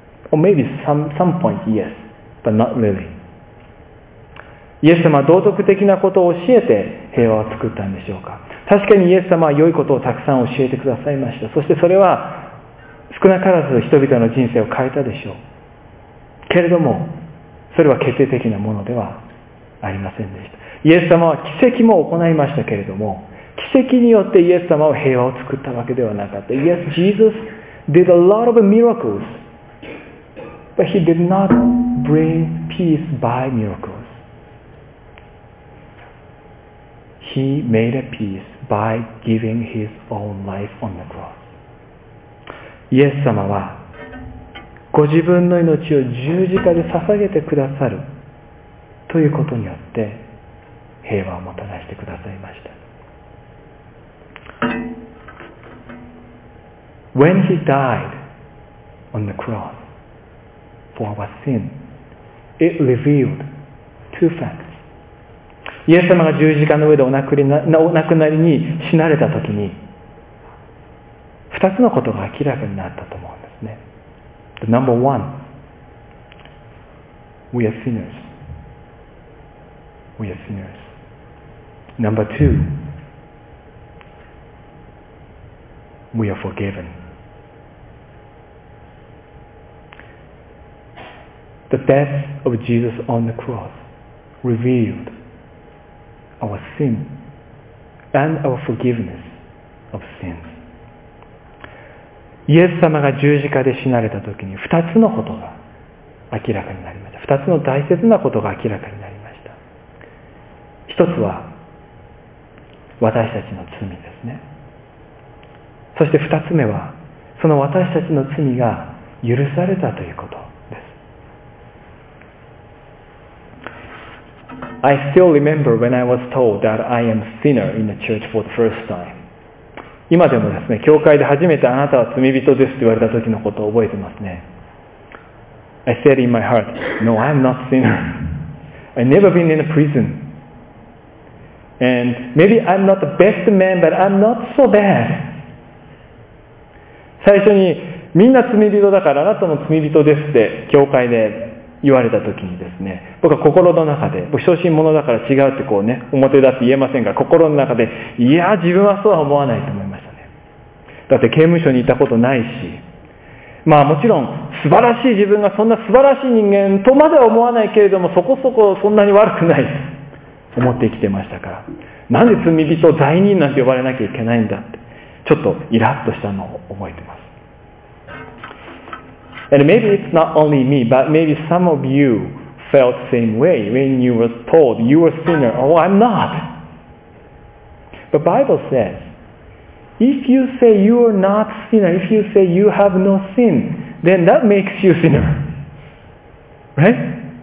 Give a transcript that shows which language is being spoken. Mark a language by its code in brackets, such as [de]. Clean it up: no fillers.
[en] Or maybe some point, yes, but not really. [ja] イエス様は道徳的なことを教えて平和を作ったんでしょうか。確かにイエス様は良いことをたくさん教えてくださいました。そしてそれは少なからず人々の人生を変えたでしょう。けれども、それは決定的なものではありませんでした。イエス様は奇跡も行いましたけれども、奇跡によってイエス様は平和を作ったわけではなかった。 [en] Yes, Jesus did a lot of miracles, but he did not bring peace by miracles. He made a peace by giving his own life on the cross. [ja] イエス様はご自分の命を十字架で捧げてくださるということによって平和をもたらしてくださいました。 [en] When he died on the cross for our sin, it revealed two facts. [ja] イエス様が十字架の上でお亡くなりに死なれたときに二つのことが明らかになったと思うんですね。 [en] The number one, we are sinners. We are sinners. Number two, we are forgiven. The death of Jesus on the cross revealed our sin and our forgiveness of sins. [ja] イエス様が十字架で死なれた時に二つのことが明らかになりました。二つの大切なことが明らかになりました。一つは私たちの罪ですね。そして二つ目はその私たちの罪が許されたということです。 [en] I still remember when I was told that I am a sinner in the church for the first time. [ja] 今でもですね、教会で初めてあなたは罪人ですって言われた時のことを覚えてますね。 [en] I said in my heart, No, I am not a sinner. I've never been in a prison. And maybe I'm not the best man, but I'm not so bad. [ja] 最初にみんな罪人だからあなたも罪人ですって教会で言われた時にですね、僕は心の中で、僕小心者だから違うってこうね、表だって言えませんが、心の中で、いや、自分はそうは思わないと思う。だって刑務所にいたことないし、まあもちろん素晴らしい自分がそんな素晴らしい人間とまでは思わないけれども、そこそこそんなに悪くないと思って生きてましたから、なんで罪人罪人なんて呼ばれなきゃいけないんだってちょっとイラッとしたのを覚えてます。 [en] And maybe it's not only me, but maybe some of you felt the same way when you were told you were a sinner. Oh, I'm not. But Bible saysIf you say you are not sinner, if you say you have no sin, then that makes you sinner. Right?